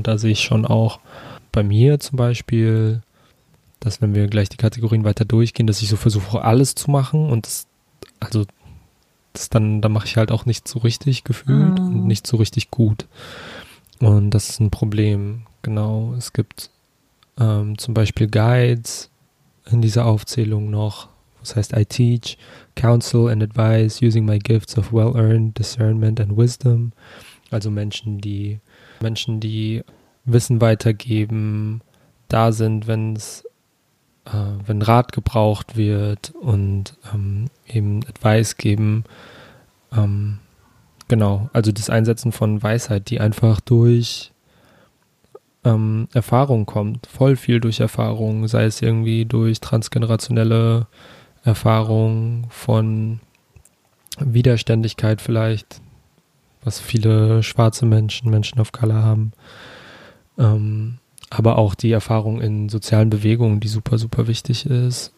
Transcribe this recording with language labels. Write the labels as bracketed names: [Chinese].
[German] Und da sehe ich schon auch bei mir zum Beispiel, dass wenn wir gleich die Kategorien weiter durchgehen, dass ich so versuche, alles zu machen und das, also das dann, da mache ich halt auch nicht so richtig gefühlt und nicht so richtig gut. Und das ist ein Problem, genau. Es gibt zum Beispiel Guides in dieser Aufzählung noch. Das heißt, [English] I teach, counsel and advise using my gifts of well-earned discernment and wisdom. [German] Also Menschen, die Wissen weitergeben, da sind, wenn Rat gebraucht wird und eben Advice geben. Genau, also das Einsetzen von Weisheit, die einfach durch Erfahrung kommt, voll viel durch Erfahrung, sei es irgendwie durch transgenerationelle Erfahrung von Widerständigkeit vielleicht, was viele schwarze Menschen, Menschen of Color haben, aber auch die Erfahrung in sozialen Bewegungen, die super, super wichtig ist.